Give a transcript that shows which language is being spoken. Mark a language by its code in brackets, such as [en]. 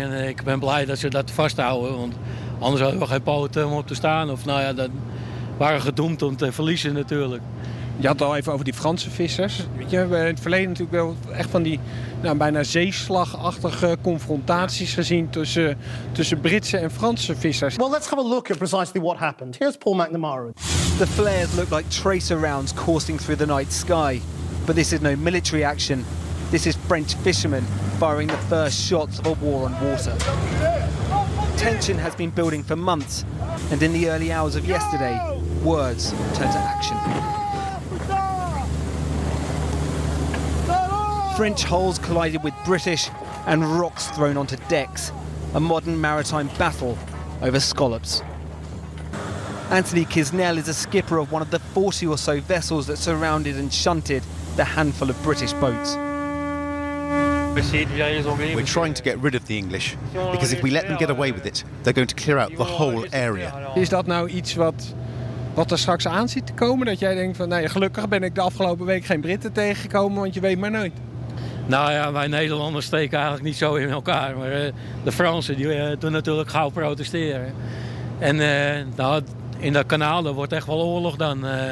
[nl] En ik ben blij dat ze dat vasthouden. Want anders hadden we geen poten om op te staan. Of nou ja, dan waren we gedoemd om te verliezen natuurlijk. Je had het al even over die Franse vissers. Weet je, we hebben in het verleden natuurlijk wel echt van die bijna zeeslagachtige confrontaties gezien tussen Britse en Franse vissers. [en] Well, let's have a look at precisely what happened. Here's Paul McNamara. The flares looked like tracer rounds coursing through the night sky. But this is no military action. This is French fishermen firing the first shots of a war on water. Tension has been building for months. And in the early hours of yesterday, words turned to action. French hulls collided with British and rocks thrown onto decks. A modern maritime battle over scallops. Anthony Kisnell is a skipper of one of the 40 or so vessels that surrounded and shunted the handful of British boats. We're trying to get rid of the English, because if we let them get away with it, they're going to clear out the whole area. [nl] Is dat nou iets wat er straks aan zit te komen? Dat jij denkt van, nee, gelukkig ben ik de afgelopen week geen Britten tegengekomen, want je weet maar nooit. Nou ja, wij Nederlanders steken eigenlijk niet zo in elkaar. Maar de Fransen die doen natuurlijk gauw protesteren. En in dat kanaal, dat wordt echt wel oorlog dan.